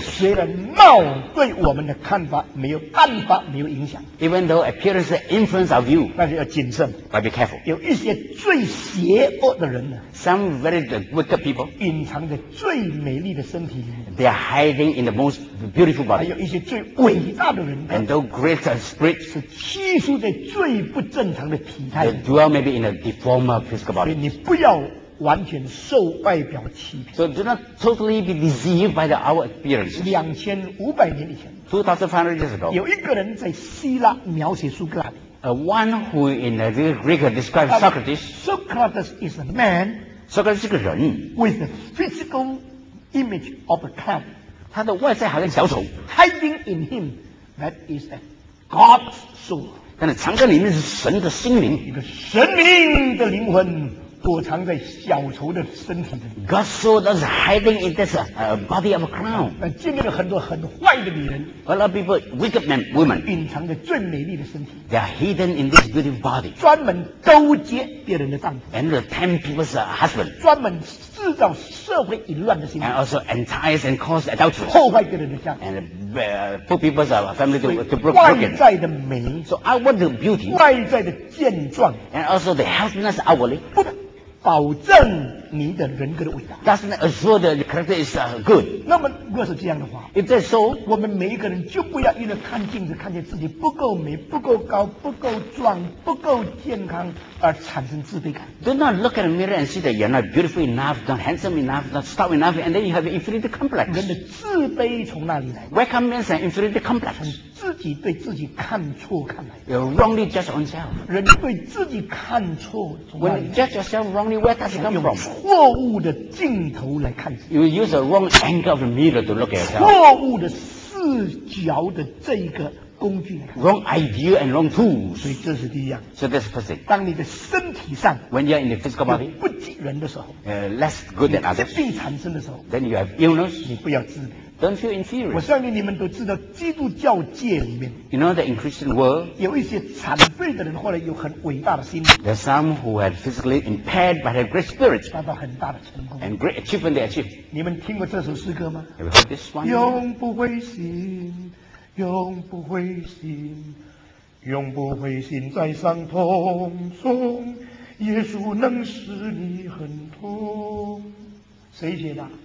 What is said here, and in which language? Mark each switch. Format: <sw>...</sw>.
<zh>虽然貌对我们的看法没有办法没有影响。</zh> <en>Even though appearance influence our view.</en> <zh>但是要谨慎。</zh> <en>But be careful.</en> <zh>有一些最邪恶的人呢。</zh> <en>Some very wicked people.</en> <zh>隐藏着最美丽的身体里面。</zh> <en>They are hiding in the most beautiful body.</en> <zh>还有一些最伟大的人。</zh> <en>And though great and spirit.</en> <zh>是寄宿在最不正常的体态。</zh> <en>They dwell maybe in a deformed physical body.</en> <zh>所以你不要完全受外表欺骗。</zh> <en>So do not totally be deceived by the our appearance.</en> <zh>2500年以前</zh> <en>2500 years ago,</en> <zh>有一个人在希腊描写苏格拉底。</zh> <en>One who in the Greek describes Socrates. Socrates is a man.</en> <zh>Socrates 是个人。</zh> <en>With a physical image of a clown.</en> <zh>他的外在好像小丑。</zh> <en>Hiding in him, that is a God's soul.</en> <zh>但是藏在里面是神的心灵。一个神明的灵魂。躲藏在小丑的身体里。</zh> <en>God's soul that's hiding in this body of a clown.</en> <zh>那见面了很多很坏的女人。</zh> <en>A lot of people, wicked men, women.</en> <zh>隐藏着最美丽的身体。</zh> <en>They are hidden in this beautiful body.</en> <zh>专门勾结别人的丈夫。</zh> <en>And tempt people's husband.</en> <zh>专门制造社会淫乱的心理。</zh> <en>And also entice and cause adultery.</en> <zh>破坏别人的家。</zh> <en>And put people's family to broken.</en> <zh>外在的美。</zh> <en>So I want the beauty.</en> <zh>外在的健壮。</zh> <en>And also the healthiness outwardly.</en> <zh>保证你的人格的伟大。</zh> <en>That's not assured that your character is good.</en> <zh>那么如果是这样的话</zh> <en>，If that's so，</en> <zh>我们每一个人就不要一直看镜子，看见自己不够美、不够高、不够壮、不够健康而产生自卑感。</zh> <en>Do not look at the mirror and see that you're not beautiful enough, not handsome enough, not stout enough, and then you have an inferiority complex.</en> <zh>人的自卑从哪里来</zh> <en>？Welcome means an inferiority complex.</en> <zh>自己对自己看错看来。</zh> <en>You wrongly judge yourself.</en> <zh>人对自己看错从哪里</zh> <en>？When judge yourself wrongly, where does it come from？</en> <zh>错误的镜头来看自己。</zh> <en>You use a wrong angle of the mirror to look at yourself.</en> <zh>错误的视角的这一个工具来看。</zh> <en>Wrong idea and wrong tools.</en> <zh>所以这是第一样。</zh> <en>So that's the first thing.</en> <zh>当你的身体上</zh> <en>，When you're in the physical body，</en> <zh>不及人的时候</zh> <en>，less good than others，</en> <zh>疾病产生的时候</zh> <en>，then you have illness，</en> <zh>你不要自卑。</zh> <en>Don't feel inferior.</en> <zh>我相信你们都知道，基督教界里面</zh> <en>，You know that in Christian world，</en> <zh>有一些残废的人，或者有很伟大的心。</zh> <en>There's some who are physically impaired but have great spirits.</en> <zh>达到很大的成功。</zh> <en>And great achievement they achieve.</en> <zh>你们听过这首诗歌吗</zh> <en>？Have you heard this one?</en> <zh>永不灰心，永不灰心，永不灰心，在伤痛中，耶稣能使你很痛。谁写的？</zh>